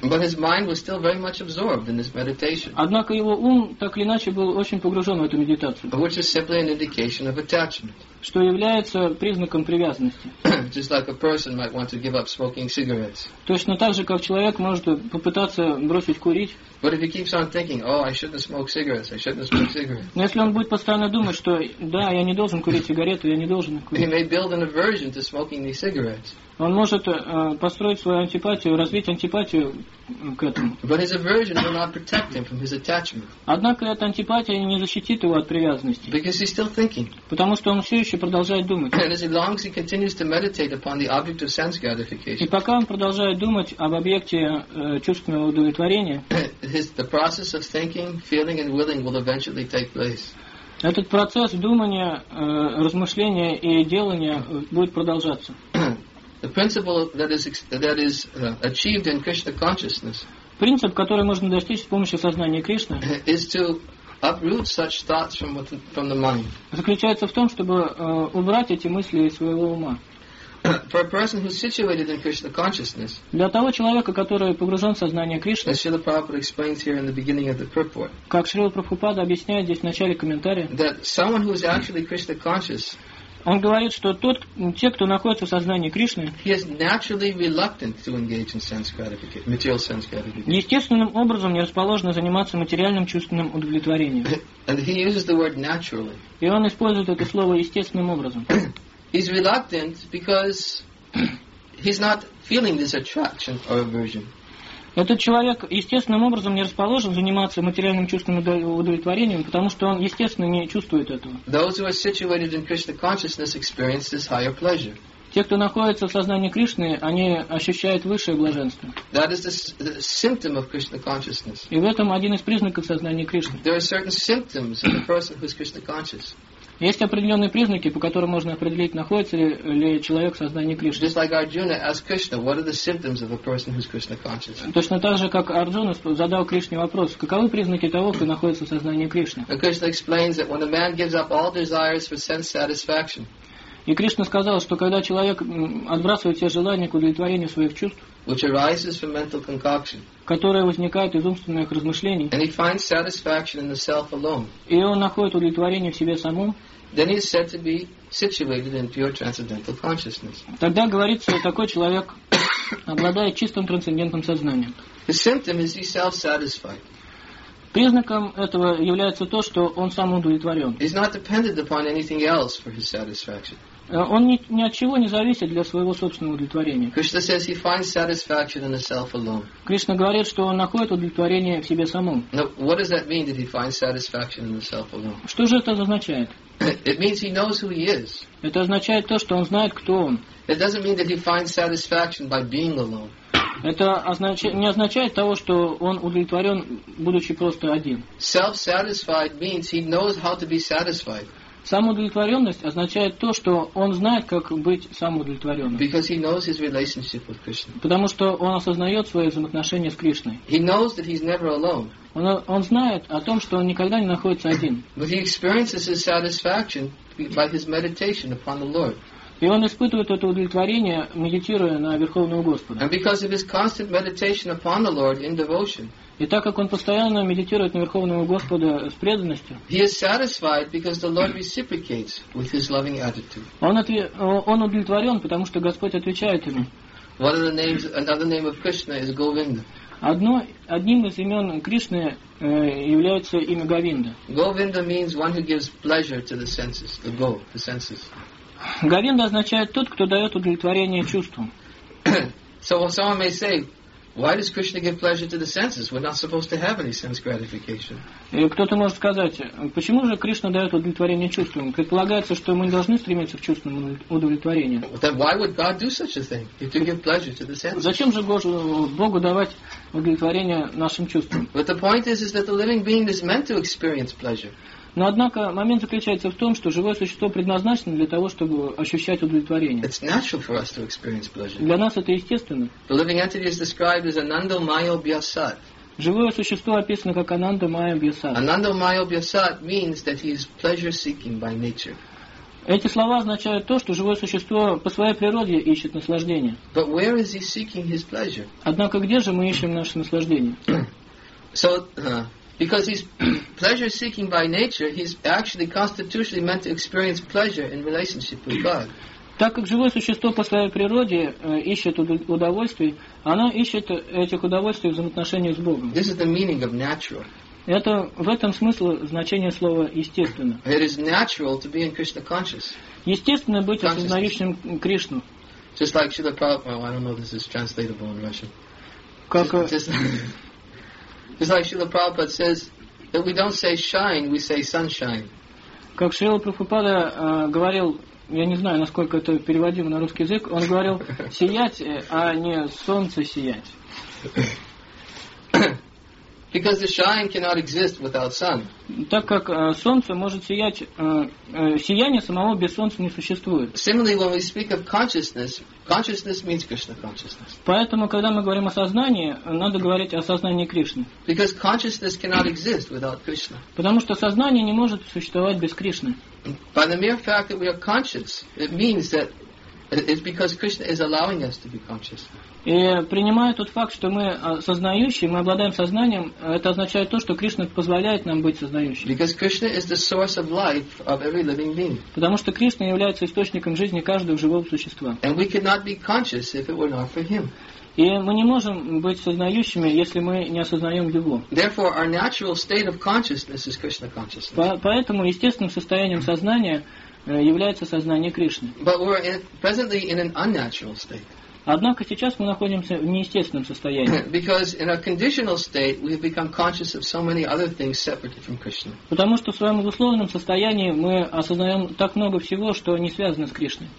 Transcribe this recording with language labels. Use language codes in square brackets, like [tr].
[en] But his mind was still very much absorbed in this meditation. [ru] Однако его ум так или иначе был очень погружен в эту медитацию. [en] Which is simply an indication of attachment. [ru] Что является признаком привязанности. [en] Just like a person might want to give up smoking cigarettes. [ru] Точно так же, как человек может попытаться бросить курить. [en] But if he keeps on thinking, oh, I shouldn't smoke cigarettes, I shouldn't smoke cigarettes. [ru] Но если он будет постоянно думать, что да, я не должен курить сигарету, я не должен курить. [en] He may build an aversion to smoking these cigarettes. [ru] Он может построить свою антипатию, развить антипатию к этому. [en] But his aversion will not protect him from his attachment. [ru] Однако эта антипатия не защитит его от привязанности. [en] Because he's still thinking. [ru] Потому что он все еще продолжает думать. [en] And as long as he continues to meditate upon the object of sense gratification. [ru] И пока он продолжает думать об объекте чувственного удовлетворения. [en] The process of thinking, feeling, and willing will eventually take place. [ru] Этот процесс думания, размышления и делания будет продолжаться. [en] The principle that is achieved in Krishna consciousness. [ru] Принцип, который можно достичь с помощью сознания Кришны, [en] is to uproot such thoughts from the mind. [ru] Заключается в том, чтобы убрать эти мысли из своего ума. [en] For a person who's situated in Krishna consciousness. [ru] Для того человека, который погружен в сознание Кришны. [en] As Srila Prabhupada explains here in the beginning of the purport. [ru] Как Шрила Прабхупада объясняет здесь в начале комментария. [en] That someone who is actually Krishna conscious. [ru] Он говорит, что тот, те, кто находится в сознании Кришны, [en] he is naturally reluctant to engage in sense gratification, material sense gratification. [ru] Естественным образом не расположено заниматься материальным чувственным удовлетворением. [en] And he uses the word naturally. [ru] И он использует это слово естественным образом. [en] He's reluctant because he's not feeling this attraction or aversion. [ru] Этот человек естественным образом не расположен заниматься материальным чувственным удовлетворением, потому что он естественно не чувствует этого. [en] Those who are situated in Krishna consciousness experience this higher pleasure. [ru] Те, кто находится в сознании Кришны, они ощущают высшее блаженство. [en] That is the symptom of Krishna consciousness. [ru] И в этом один из признаков сознания Кришны. [en] There are certain symptoms of a person who is Krishna conscious. [ru] Есть определенные признаки, по которым можно определить, находится ли человек в сознании Кришны. [en] Just like Arjuna asked Krishna, what are the symptoms of a person who's Krishna conscious? [ru] Точно так же, как Арджуна задал Кришне вопрос, каковы признаки того, кто находится в сознании Кришны? [en] And Krishna explains that when a man gives up all desires for sense satisfaction. [ru] И Кришна сказал, что когда человек отбрасывает все желания к удовлетворению своих чувств, [en] which arises from mental concoction, [ru] которое возникает из умственных размышлений, [en] and he finds satisfaction in the self alone, [ru] и он находит удовлетворение в себе самом, [en] then he is said to be situated in pure transcendental consciousness. [ru] Тогда говорится, что такой человек обладает чистым трансцендентным сознанием. [en] The symptom is he's self-satisfied. [ru] Признаком этого является то, что он сам удовлетворен. [en] He's not dependent upon anything else for his satisfaction. [ru] Он ни от чего не зависит для своего собственного удовлетворения. [en] Krishna says he finds satisfaction in the self alone. [ru] Кришна говорит, что он находит удовлетворение в себе самом. [en] Now, what does that mean that he finds satisfaction in the self alone? [ru] Что же это означает? [en] It means he knows who he is. [ru] Это означает то, что он знает, кто он. [en] It doesn't mean that he finds satisfaction by being alone. [ru] Это не означает того, что он удовлетворен, будучи просто один. [en] Self-satisfied means he knows how to be satisfied. [ru] Самоудовлетворенность означает то, что он знает, как быть самоудовлетворенным. [en] Because he knows his relationship with Krishna. [ru] Потому что он осознает свои взаимоотношения с Кришной. [en] He knows that he's never alone. [ru] Он знает о том, что он никогда не находится один. [en] But he experiences his satisfaction by his meditation upon the Lord. [ru] И он испытывает это удовлетворение, медитируя на Верховного Господа. [en] And because of his constant meditation upon the Lord in devotion. [ru] И так как он постоянно медитирует на Верховного Господа с преданностью. [en] He is satisfied because the Lord reciprocates with his loving attitude. [ru] Он удовлетворен, потому что Господь отвечает ему. [en] One of the names, another name of Krishna is Govinda. [ru] Одним из имен Кришны является имя Говинда. [en] Govinda means one who gives pleasure to the senses, the go, the senses. [ru] Говинда означает тот, кто дает удовлетворение чувствам. [en] So someone may say, why does Krishna give pleasure to the senses? We're not supposed to have any sense gratification. [ru] И кто-то может сказать, почему же Кришна дает удовлетворение чувствам? Предполагается, что мы не должны стремиться к чувственному удовлетворению. [en] Then why would God do such a thing? If to give pleasure to the senses. [ru] Зачем же Богу давать удовлетворение нашим чувствам? [en] But the point is that the living being is meant to experience pleasure. [ru] Но однако момент заключается в том, что живое существо предназначено для того, чтобы ощущать удовлетворение. [en] It's natural for us to experience pleasure. [ru] Для нас это естественно. [en] The living entity is described as Ananda Maya Vyasat. [ru] Живое существо описано как Ананда Майя Бьясат. [en] Ananda Maya Vyasat means that he is pleasure seeking by nature. [ru] Эти слова означают то, что живое существо по своей природе ищет наслаждение. [en] But where is he seeking his pleasure? [ru] Однако где же мы ищем наше наслаждение? [en] So, because he's pleasure seeking by nature, he's actually constitutionally meant to experience pleasure in relationship with God. [ru] Так как живое существо по своей природе ищет удовольствие, оно ищет этих удовольствий в взаимоотношении с Богом. [en] This is the meaning of natural. [ru] Это в этом смысле значение слова естественно. [en] It is natural to be in Krishna conscious. [ru] Естественно быть осознающим Кришну. [en] Just like Srila Prabhupada, I don't know if this is translatable in Russian. It's like Srila Prabhupada says that we don't say shine, we say sunshine. [ru] Как Шрила Прабхупада говорил, я не знаю, насколько это переводимо на русский язык, он говорил сиять, а не солнце сиять. [en] Because the shine cannot exist without sun. [ru] Так как солнце может сиять, сияние самого без солнца не существует. [en] Similarly, when we speak of consciousness, consciousness means Krishna consciousness. [ru] Поэтому, когда мы говорим о сознании, надо говорить о сознании Кришны. [en] Because consciousness cannot exist without Krishna. [ru] Потому что сознание не может существовать без Кришны. [en] By the mere fact that we are conscious, it means that it's because Krishna is allowing us to be conscious. [ru] И принимая тот факт, что мы сознающие, мы обладаем сознанием, это означает то, что Кришна позволяет нам быть сознающими. [en] Because Krishna is the source of life of every living being. [ru] Потому что Кришна является источником жизни каждого живого существа. [en] And we cannot be conscious if it were not for Him. [ru] И мы не можем быть сознающими, если мы не осознаем Его. [en] Therefore, our natural state of consciousness is Krishna consciousness. [ru] Поэтому естественным состоянием сознания является сознание Кришны. [en] But we're presently in an unnatural state. [ru] Однако сейчас мы находимся в неестественном состоянии. [en] Because in a conditional state we have become conscious of so many other things separate from Krishna. [ru] Потому что в своем условном состоянии мы осознаем так много всего, что не связано с Кришной.